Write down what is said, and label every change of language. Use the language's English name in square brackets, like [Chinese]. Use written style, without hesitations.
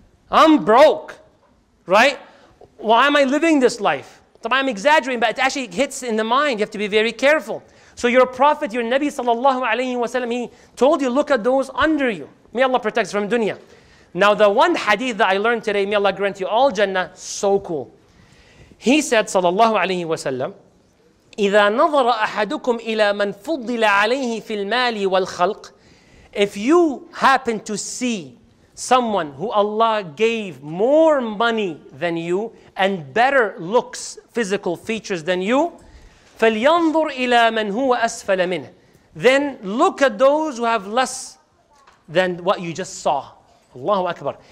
[English] I'm broke, right? Why am I living this life? Sometimes I'm exaggerating, but it actually hits in the mind. You have to be very careful. So your Prophet, your Nabi sallallahu alayhi wa sallam, he told you, look at those under you. May Allah protect us from dunya. Now the one hadith that I learned today, may Allah grant you all Jannah, so cool. He said, sallallahu alayhi wa sallam, [Arabic] إِذَا نَظَرَ أَحَدُكُمْ إِلَى مَنْ فُضِّلَ عَلَيْهِ فِي الْمَالِ وَالْخَلْقِ. [English] If you happen to see someone who Allah gave more money than you and better looks, physical features than you, [Arabic] فَلْيَنْظُرْ إِلَى مَنْ هُوَ أَسْفَلَ مِنْهِ. [English] Then look at those who have less than what you just saw. Allahu Akbar.